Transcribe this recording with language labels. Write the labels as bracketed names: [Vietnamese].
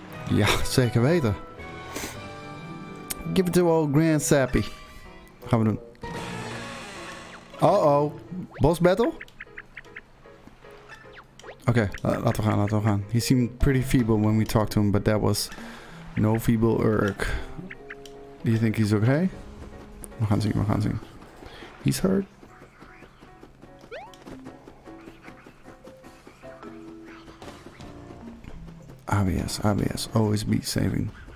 [Dutch] Ja, zeker weten. [English] Give it to old Grand Sappy. [Dutch] Gaan we doen. [English] Uh-oh, boss battle? [Dutch] Oké, okay, laten we gaan, laten we gaan. [English] He seemed pretty feeble when we talked to him, but that was no feeble irk. Do you think he's okay? [Dutch] We gaan zien, we gaan zien. [English] He's hurt. ABS, ABS, always be saving.